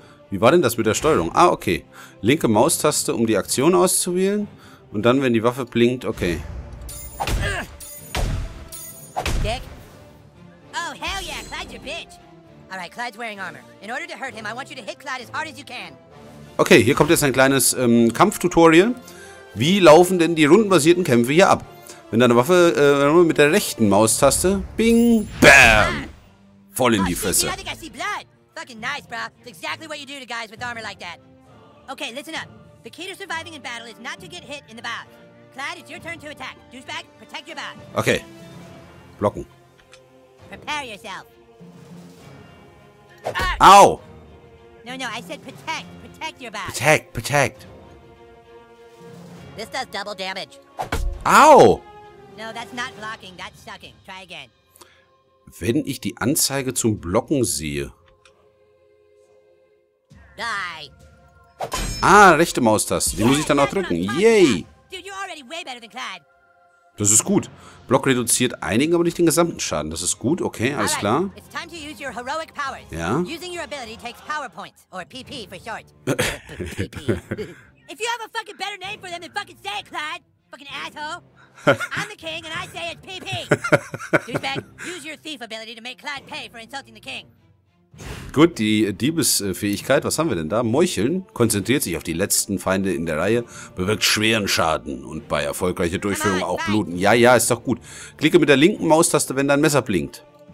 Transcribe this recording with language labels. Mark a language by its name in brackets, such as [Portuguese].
[German] Wie war denn das mit der Steuerung? Ah, okay. Linke Maustaste, um die Aktion auszuwählen. Und dann, wenn die Waffe blinkt, okay. Dick? [English] Oh, hell yeah, Clyde's your bitch. Alright, Clyde's wearing armor. In order to hurt him, I want you to hit Clyde as hard as you can. [German] Okay, hier kommt jetzt ein kleines Kampftutorial. Wie laufen denn die rundenbasierten Kämpfe hier ab? Wenn deine Waffe mit der rechten Maustaste, bing, bam, voll in die Fresse. [English] I think I see blood. Fucking nice, bro. It's exactly what you do to guys with armor like that. Okay, listen up. The key to surviving in battle is not to get hit in the bow. Clyde, it's your turn to attack. Douchebag, protect your bow. [German] Okay. Blocken. [English] Prepare yourself. Ow! No, no, I said protect. Protect your bow. Protect. This does double damage. Ow! No, that's not blocking. That's sucking. Try again. [German] Wenn ich die Anzeige zum Blocken sehe... Die. Ah, rechte Maustaste. Die muss ich dann auch drücken. Yay. [English] Dude, already way better than Clyde. [German] Das ist gut. Block reduziert einigen, aber nicht den gesamten Schaden. Das ist gut, okay, alles klar. [English] It's time to use your heroic powers. [German] Ja. [English] Using your ability takes power points, or PP for short. If you have a fucking better name for them, then fucking say it, Clyde. Fucking asshole. I'm the king and I say it's PP. Douchebag, use your thief ability to make Clyde pay for insulting the king. [German] Gut, die Diebesfähigkeit, was haben wir denn da? Meucheln, konzentriert sich auf die letzten Feinde in der Reihe, bewirkt schweren Schaden und bei erfolgreicher Durchführung auch Bluten. Ja, ja, ist doch gut. Klicke mit der linken Maustaste, wenn dein Messer blinkt.